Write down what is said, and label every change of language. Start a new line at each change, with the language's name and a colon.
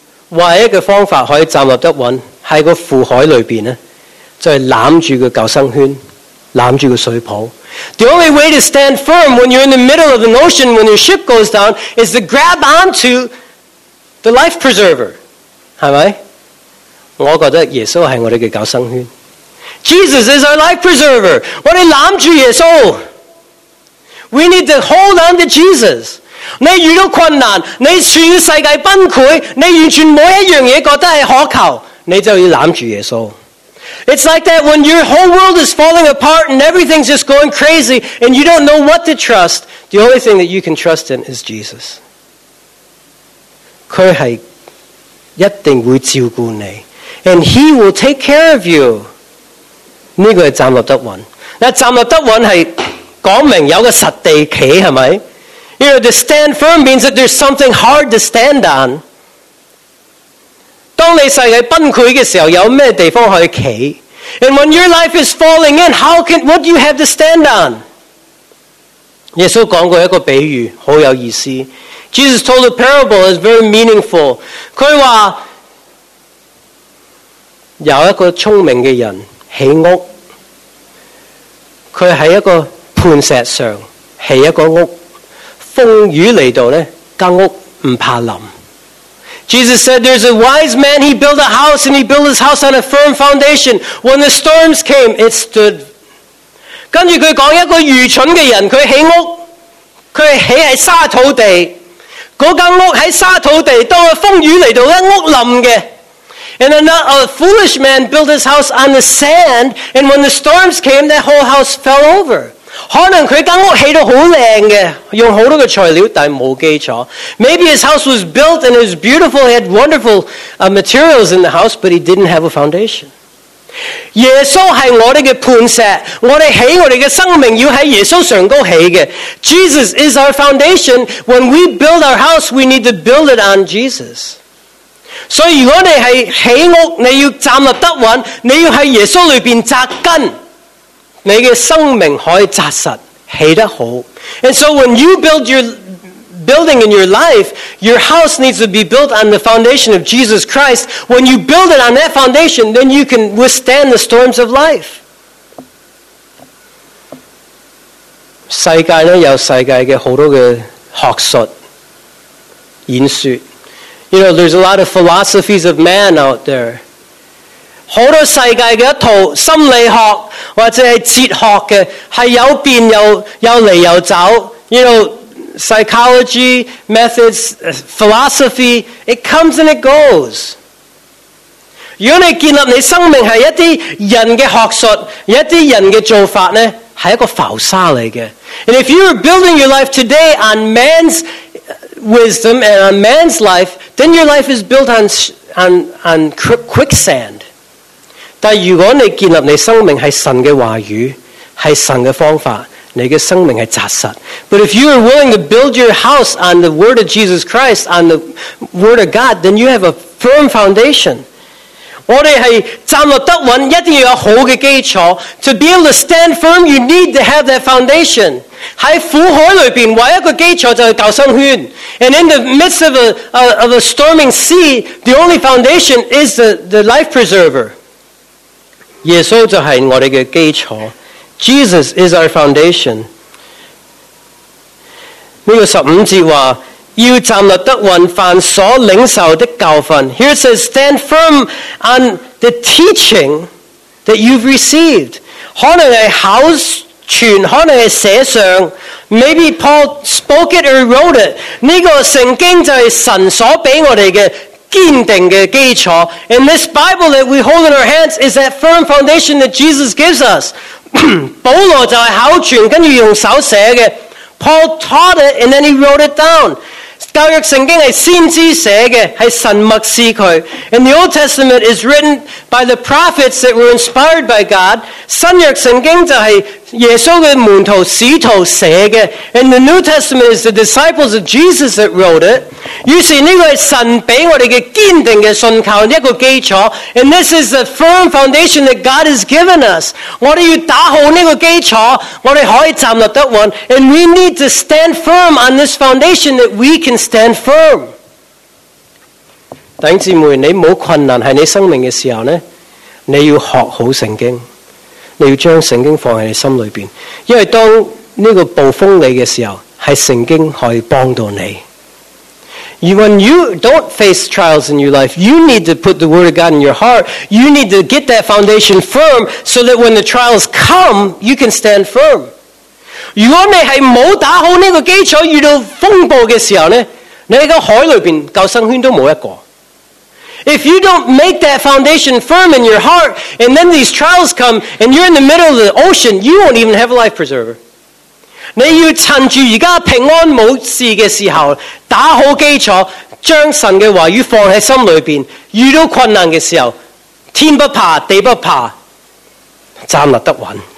Cantonese: 唯一的方法可以站立得稳在个浮海里面呢就是揽住个救生圈揽住个水泡。
English: The only way to stand firm when you're in the middle of an ocean, when your ship goes down, is to grab onto the life preserver.
Cantonese: 是不是我觉得耶稣是我们的救生圈。
English: Jesus is our life preserver.
Cantonese: 我们揽住耶稣。
English: We need to hold on to Jesus.
Cantonese: 你遇到困难，你全世界崩溃，你完全没一样东西觉得是可求，你就要揽住耶稣。
English: It's like that when your whole world is falling apart and everything's just going crazy and you don't know what to trust, the only thing that you can trust in is Jesus.
Cantonese: 祂是一定会照顾你。
English: And He will take care of you.
Cantonese: 这个是站立得稳。那站立得稳是讲明有个实地企，是不是？
English: You know, to stand firm means that there's something hard to stand on.
Cantonese: 当你世界崩溃的时候，有什么地方可以企？
English: And when your life is falling in, what do you have to stand on?
Cantonese: 耶稣讲过一个比喻，很有意思。
English: Jesus told a parable that's very meaningful.
Cantonese: 他说，有一个聪明的人起屋，他在一个磐石上起一个屋，风雨来到呢，间屋不怕淋。
English: Jesus said, there's a wise man, he built a house, and he built his house on a firm foundation. When the storms came, it stood.
Cantonese: 跟着他说一个愚蠢的人，他起屋，他起在沙土地，那间屋在沙土地，当风雨来到，屋淋的。
English: And a foolish man built his house on the sand, and when the storms came, that whole house fell over.
Cantonese: 可能他间屋起得很靓的，用很多的材料，但没基础。
English: Maybe his house was built and it was beautiful, he had wonderful materials in the house, but he didn't have a foundation.
Cantonese: 耶稣是我们的磐石，我们起我们的生命要在耶稣上高起的。
English: Jesus is our foundation. When we build our house, we need to build it on Jesus.
Cantonese: 所以如果你是起屋，你要站立得稳，你要在耶稣里面扎根，你的生命可以扎实起得好。
English: And so when you build your building in your life, your house needs to be built on the foundation of Jesus Christ. When you build it on that foundation, then you can withstand the storms of life.
Cantonese: 世界呢，有世界的好多的学术演说。
English: You know, there's a lot of philosophies of man out there.
Cantonese: 很多世界的一套心理学或者是哲学的，是有变又来又走。
English: You know, psychology, methods, philosophy, it comes and it goes.
Cantonese: 如果你建立你生命是一些人的学术，一些人的做法呢，是一个浮沙来的。
English: And if you're building your life today on man's wisdom and on man's life, then your life is built on quicksand.
Cantonese: 但如果你建立你生命是神的话语，是神的方法，你的生命是扎实。
English: But if you are willing to build your house on the word of Jesus Christ, on the word of God, then you have a firm foundation.
Cantonese: 我们是站立得稳，一定要有好的基础。
English: To be able to stand firm, you need to have that foundation.
Cantonese: 在苦海里面，唯一个基础就是救生圈。
English: And in the midst of a storming sea, the only foundation is the life preserver.
Cantonese: 耶稣就是我们的基础。
English: Jesus is our foundation.
Cantonese: 这个十五节说，要站立得稳，凡所领受的教训。
English: Here it says, stand firm on the teaching that you've received. 可能是house全可能是写上，maybe Paul spoke it or wrote it。
Cantonese: 这个圣经就是神所俾我哋嘅坚定嘅基础。
English: And this Bible that we hold in our hands is that firm foundation that Jesus gives us.
Cantonese: 保罗就系口传，跟住用手写嘅。
English: Paul taught it and then he wrote it down。
Cantonese: 旧约圣经系先知写嘅，系神默示佢。
English: And the Old Testament is written by the prophets that were inspired by God.
Cantonese: 新约圣经就系耶稣嘅门徒使徒写嘅。
English: And the New Testament is the disciples of Jesus that wrote it.
Cantonese: 于是呢个系神俾我哋嘅坚定嘅信靠一个基础。
English: And this is the firm foundation that God has given us.
Cantonese: 我哋要打好呢个基础，我哋可以站立得稳。
English: And we need to stand firm on this foundation that we can. Stand firm.
Cantonese: 弟兄姊妹，你没困难在你生命的时候，你要学好圣经，你要将圣经放在你心里面，因为当这个暴风来的时候，是圣经可以帮到你。
English: When you don't face trials in your life, you need to put the word of God in your heart. You need to get that foundation firm so that when the trials come, you can stand firm.
Cantonese: 如果你係冇打好呢個基礎，遇到風暴嘅時候咧，你個海裏邊救生圈都冇一個。
English: If you don't make that foundation firm in your heart, and then these trials come, and you're in the middle of the ocean, you won't even have a life preserver.
Cantonese: 你要趁住而家平安冇事嘅時候，打好基礎，將神嘅話語放喺心裏邊。遇到困難嘅時候，天不怕，地不怕，站立得穩。